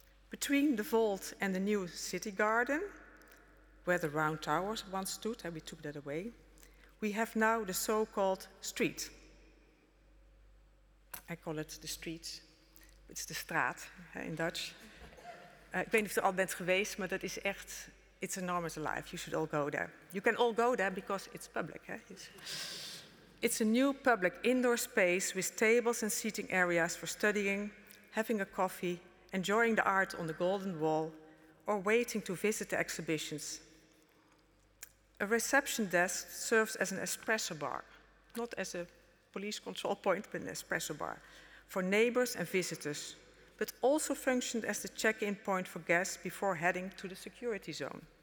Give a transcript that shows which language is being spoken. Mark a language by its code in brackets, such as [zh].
[en] Between the vault and the new city garden, where the round towers once stood, and we took that away, we have now the so-called street. I call it the street, it's the straat in Dutch. [nl] Ik weet niet of je er al bent geweest, maar dat is echt, [en] it's enormous alive, you should all go there. You can all go there because it's public. It's a new public indoor space with tables and seating areas for studying, having a coffee, enjoying the art on the golden wall, or waiting to visit the exhibitions. A reception desk serves as an espresso bar, not as a police control point, but an espresso bar, for neighbors and visitors, but also functioned as the check-in point for guests before heading to the security zone.